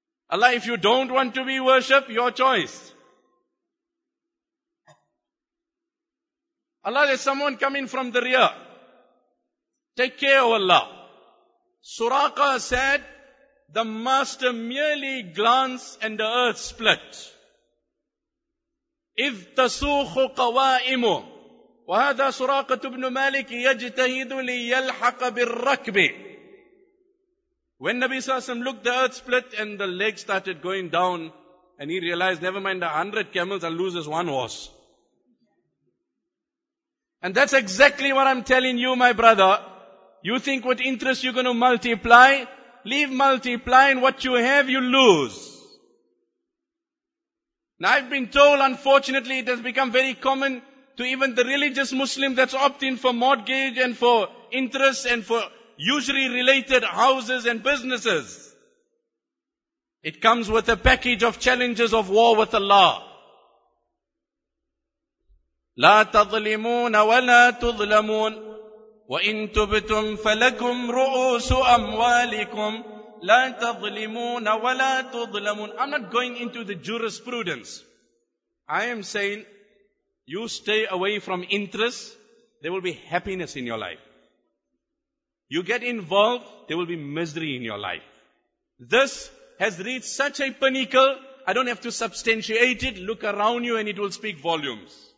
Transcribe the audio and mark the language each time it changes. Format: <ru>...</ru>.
<en>Allah, if you don't want to be worshipped, your choice. Allah, there's someone coming from the rear. Take care, O Allah. Suraqa said, the master merely glanced and the earth split.</en> <ar>إِذْ تَسُوخُ قَوَائِمُ وهذا سراقة بن مالك يجتهد ليلحق بالركب.</ar> <en>When Nabi Sallallahu Alaihi Wasallam looked, the earth split and the legs started going down, and he realized, never mind 100 camels, I'll lose this one horse. And that's exactly what I'm telling you, my brother. You think what interest you're going to multiply? Leave multiplying what you have, you lose. Now I've been told, unfortunately, it has become very common to even the religious Muslim that's opting for mortgage and for interest and for usury related houses and businesses. It comes with a package of challenges of war with Allah.</en> <ar>لا تظلمون ولا تظلمون وإن تبتم فلكم رؤوس أموالكم لا تظلمون ولا تظلمون.</ar> <en>I'm not going into the jurisprudence. I am saying, you stay away from interest, there will be happiness in your life. You get involved, there will be misery in your life. This has reached such a pinnacle, I don't have to substantiate it, look around you and it will speak volumes.</en>